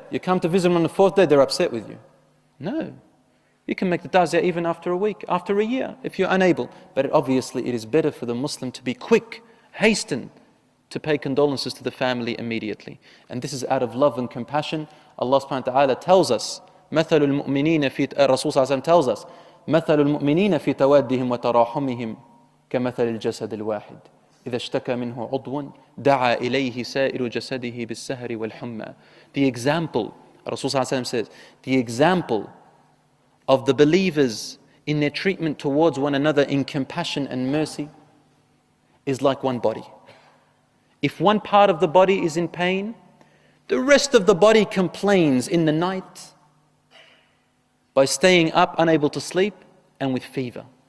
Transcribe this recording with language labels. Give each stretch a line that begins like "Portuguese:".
English: You come to visit them on the fourth day, they're upset with you. No, you can make the ta'ziyah even after a week, after a year, if you're unable. But obviously it is better for the Muslim to be quick, hasten, to pay condolences to the family immediately. And this is out of love and compassion. Allah subhanahu wa ta'ala tells us,
Arabic: مَثَلُ الْمُؤْمِنِينَ فِي
English: Rasul tells us,
Arabic: مَثَلُ الْمُؤْمِنِينَ فِي تَوَادِّهِمْ وَتَرَاحُمِهِمْ كَمَثَلِ الْجَسَدِ الْوَاحِدِ إِذَا اشْتَكَى مِنْهُ عُضْوٌ دَعَى إِلَيْهِ سَائِرُ جَسَدِهِ بِالسَّهَرِ وَالْحُمَّى.
English: The example, Rasul says, the example of the believers in their treatment towards one another in compassion and mercy is like one body. If one part of the body is in pain, the rest of the body complains in the night by staying up, unable to sleep, and with fever.